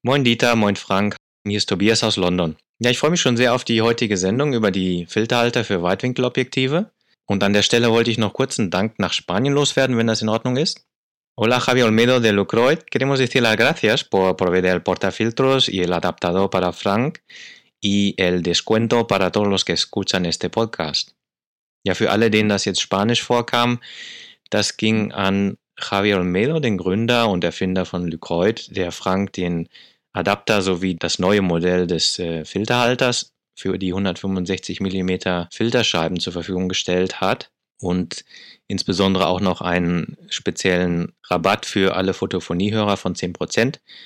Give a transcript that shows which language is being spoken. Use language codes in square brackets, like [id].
[de] Moin Dieter, moin Frank, hier ist Tobias aus London. Ja, ich freue mich schon sehr auf die heutige Sendung über die Filterhalter für Weitwinkelobjektive. Und an der Stelle wollte ich noch kurz einen Dank nach Spanien loswerden, wenn das in Ordnung ist. [es] Hola Javi Olmedo de Lucroid, queremos decir las gracias por proveer el portafiltros y el adaptador para Frank y el descuento para todos los que escuchan este podcast. [de] Ja, für alle, denen das jetzt Spanisch vorkam, das ging an Javi Olmedo, den Gründer und Erfinder von Lucroid, der Frank den Adapter sowie das neue Modell des Filterhalters für die 165 mm Filterscheiben zur Verfügung gestellt hat und insbesondere auch noch einen speziellen Rabatt für alle Fotophoniehörer von 10%.